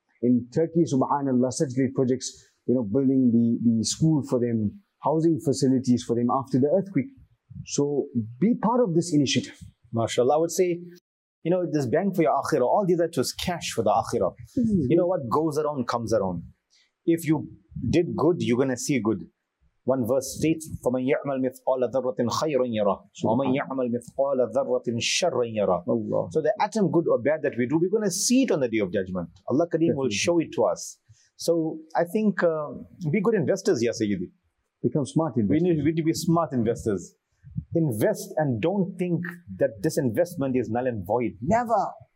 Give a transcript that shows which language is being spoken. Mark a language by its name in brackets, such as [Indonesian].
[English] In Turkey, subhanAllah, such great projects, you know, building the school for them, housing facilities for them after the earthquake. So be part of this initiative. MashaAllah, I would say, you know, this bank for your akhirah, all these are just cash for the akhirah. You know, what goes around comes around. If you did good, you're going to see good. One verse states, [Arabic] فَمَنْ يَعْمَلْ مِثْقَالَ ذَرَّةٍ خَيْرًا يَرَهُ وَمَنْ يَعْمَلْ مِثْقَالَ ذَرَّةٍ شَرًّا يَرَهُ. [English] So the atom good or bad that we do, we're going to see it on the Day of Judgment. Allah Kareem will show it to us. So I think be good investors, Ya Sayyidi. Become smart investors. We need to be smart investors. Invest and don't think that this investment is null and void. Never.